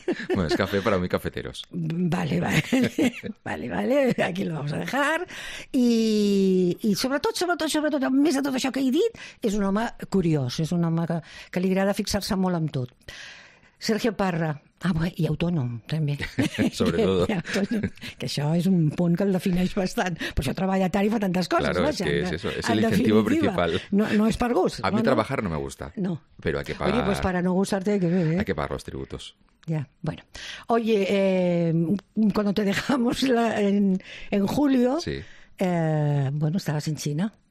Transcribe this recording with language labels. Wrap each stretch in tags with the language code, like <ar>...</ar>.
<es>Bueno, es café para mí cafeteros. Vale, vale. Vale, vale, aquí lo vamos a dejar.</es> <ca>I sobretot, a més de tot això que he dit, és un home curiós, és un home que li agrada fixar-se molt en tot. Sergio Parra. Ah, bé, i autònom, també. Sobretot. Que això és un punt que el defineix bastant. Per això treballa tard i fa tantes coses.</ca> <es>Claro, vaja, es que es eso. Es el incentivo principal.</es> <ca>No és per gust.</ca> <es>A mi trabajar no me gusta. No. Pero hay que pagar. Oye, pues para no gustarte hay que ver, Hay que pagar los tributos. Ya, bueno. Oye, cuando te dejamos en julio, bueno, estabas en China.</es>